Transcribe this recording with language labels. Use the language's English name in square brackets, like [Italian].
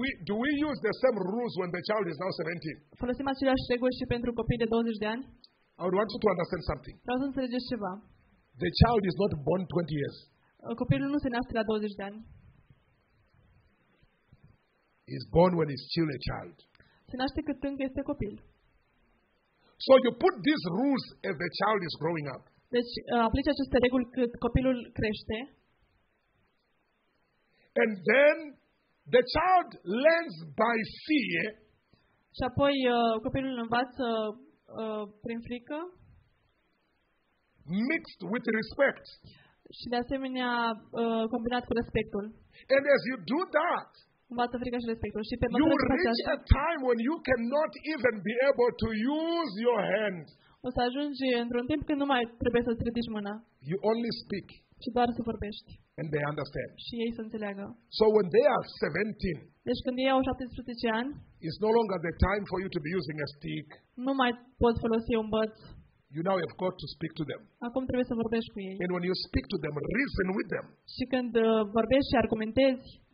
[English] Do we use the same rules when the child is now 17? [Romanian] Folosim aceleași reguli și pentru copii de 20 de ani? [English] I would want you to understand something. [Romanian] Vreau să înțelegeți ceva. [English] The child is not born 20 years. [Romanian] Copilul nu se naște la 20 de ani. [English] He's born when he's still a child. [Romanian] Se naște cât încă este copil. [English] So you put these rules as the child is growing up. [Romanian] Deci aplici aceste reguli cât copilul crește. [English] And then the child learns by fear. [Romanian] Și apoi copilul învață prin frică. [English] Mixed with respect. [Romanian] Și de asemenea combinat cu respectul. [English] And as you do that, [Romanian] învață frica și respectul. Și pe [English] you reach a time when you cannot even be able to use your hands. [Romanian] O să ajungi într-un timp când nu mai trebuie să-ți ridici mâna. [English] You only speak. [Romanian] Și doar să vorbești. [English] And they understand. [Romanian] Și ei să înțeleagă. [English] So when they are 17, [Romanian] deci când ei au 17 ani, [English] it's no longer the time for you to be using a stick. [Romanian] Nu mai poți folosi un băț. [English] You now have got to speak to them. [Romanian] Acum trebuie să vorbești cu ei. [English] And when you speak to them, reason with them. [Romanian] Și când vorbești și argumentezi.